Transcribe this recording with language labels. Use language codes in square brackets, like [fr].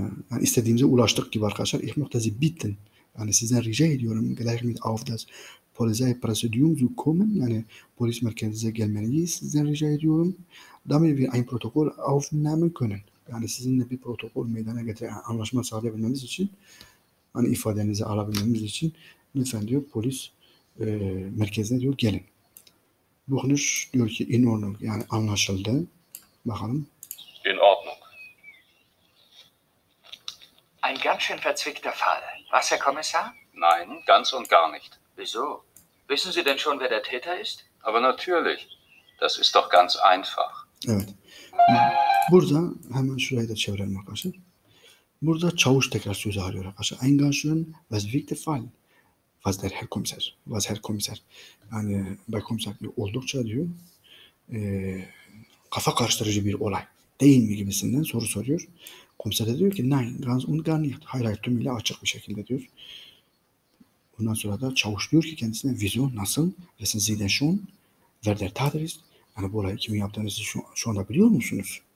[tr] Yani istediğimize ulaştık gibi arkadaşlar. [de] Ich möchte Sie bitten. [tr] Yani sizden rica ediyorum. [de] Gleich mit auf das Polizeipräsidium zu kommen. [tr] Yani polis merkezinize gelmeyi sizden rica ediyorum. [de] Damit wir ein Protokoll aufnehmen können. [tr] Yani sizinle bir protokol meydana getiren anlaşma sağlayabilmemiz için, hani ifadenizi alabilmemiz için lütfen diyor polis merkezine diyor gelin. Buchner diyor ki [de] in Ordnung, [tr] yani anlaşıldı. Bakalım. [de] In Ordnung. Ein ganz schön verzwickter Fall. Was, Herr Kommissar? Nein, ganz und gar nicht. Wieso? Wissen Sie denn schon, wer der Täter ist? Aber natürlich. Das ist doch ganz einfach. [tr] Evet. Burada hemen şurayı da çevirelim arkadaşlar. Burada çavuş tekrar sözü alıyor arkadaşlar. [de] Ein ganz schön verzwickter Fall. Was der Herr Kommissar? Was Herr Kommissar? [tr] Yani Bay Kommissar diyor, oldukça diyor. Kafa karıştırıcı bir olay. Değil mi gibisinden soru soruyor. Komiser de diyor ki [de] nein, ganz und gar nicht. [tr] Hayır, hayır, tümüyle açık bir şekilde diyor. Bundan sonra da çavuş diyor ki kendisine wieso, nasıl? [de] Wissen Sie denn schon? Wer der Täter ist? [tr] Yani bu olayı kimin yaptığınızı şu anda biliyor musunuz?